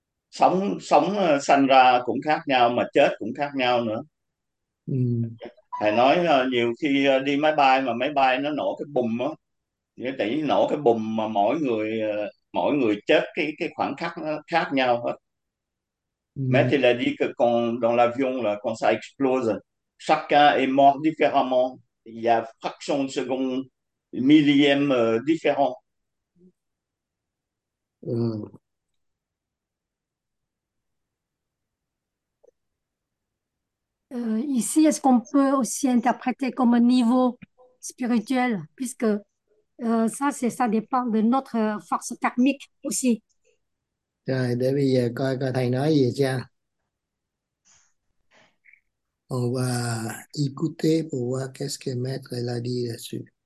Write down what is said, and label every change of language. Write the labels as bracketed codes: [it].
[vi] Sống sống sanh ra cũng khác nhau mà chết cũng khác nhau nữa. Thầy nói nhiều khi đi máy bay mà máy bay nó nổ cái bùm á, cái tỷ nổ cái bùm mà mỗi người chết cái khoảng khắc nó khác nhau hết. [fr] Mais tu l'as dit que quand dans l'avion là quand ça explose, chacun est mort différemment, il y a fraction de seconde, millième différent. Ici, est-ce qu'on peut aussi interpréter comme un niveau spirituel, puisque ça dépend de notre force karmique aussi. [vi] Rồi, để bây giờ coi coi thầy nói gì chưa. [fr] On va écouter pour voir qu'est-ce que maître l'a dit là-dessus.